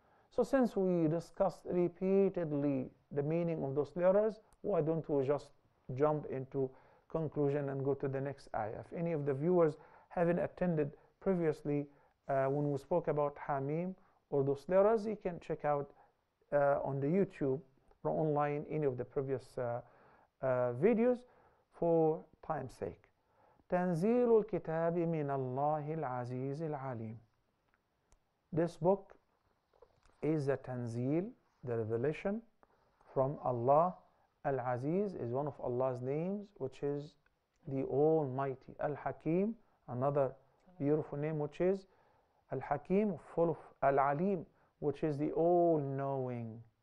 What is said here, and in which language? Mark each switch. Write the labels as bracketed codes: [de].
[en] So since we discussed repeatedly the meaning of those letters, why don't we just jump into conclusion and go to the next ayah? If any of the viewers haven't attended previously when we spoke about Hamim or those letters, you can check out on the YouTube or online any of the previous videos for time's sake. [ar] تنزيل الكتاب من الله العزيز العليم. [en] This book is a Tanzeel, the revelation from Allah. Al-Aziz is one of Allah's names, which is the Almighty. Al-Hakim, another beautiful name, which is Al-Hakim, full of Al-Alim, which is the All-Knowing.